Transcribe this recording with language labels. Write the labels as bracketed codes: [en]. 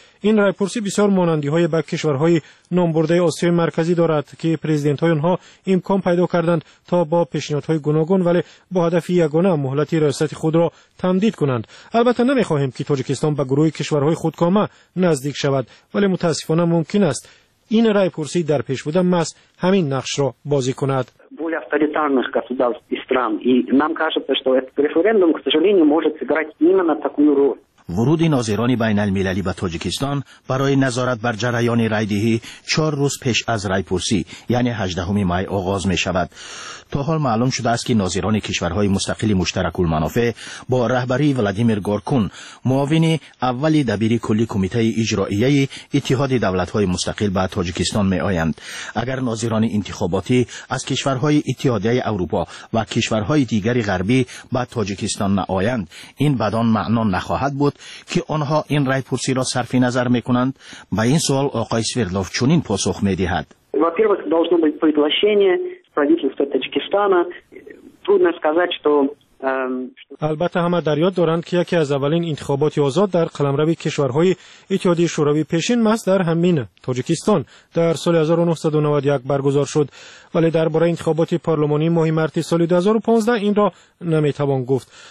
[tg] این رایپرسی بسیار مانندی های با کشورهای نامبرده آسیای مرکزی دارد که پرزیدنت های آنها امکان پیدا کردند تا با پیشنهادهای گوناگون ولی با هدف یگانه مهلت ریاست خود را تمدید کنند. البته نمیخواهیم که تاجیکستان به گروه کشورهای خودکامه نزدیک شود، ولی متاسفانه ممکن است این رایپرسی در پیش بوده ماست همین نقش را بازی کند. [ru] авторитарных государств и стран. И нам кажется, что этот референдум, к сожалению, может сыграть именно такую роль. [tg] ورود ناظران بین المللی به تاجیکستان برای نظارت بر جریان رای‌دهی 4 روز پیش از رایپرسی یعنی 18 می آغاز می شود. تا حال معلوم شده است که ناظران کشورهای مستقل مشترک المنافع با رهبری ولادیمیر گورکون، معاون اول دبیر کلی کمیته اجرائیه اتحاد دولت‌های مستقل به تاجیکستان می آیند. اگر ناظران انتخاباتی از کشورهای اتحادیه اروپا و کشورهای دیگر غربی به تاجیکستان نآیند، این بدان معنا نخواهد بود که آنها این رایپرسی را صرف نظر میکنند. با این سوال آقای سویردلوف چنین پاسخ میدهد. [ru] во-первых, должно быть приглашение правительства Таджикистана. трудно сказать, что [tg] البته همه در یاد دارند که یکی از اولین انتخابات آزاد در قلمرو کشورهای اتحادیه شوروی پیشین ماست در همین تاجیکستان در سال 1991 برگزار شد، ولی درباره انتخابات پارلمانی ماه مارس سال 2015 این را نمیتوان گفت.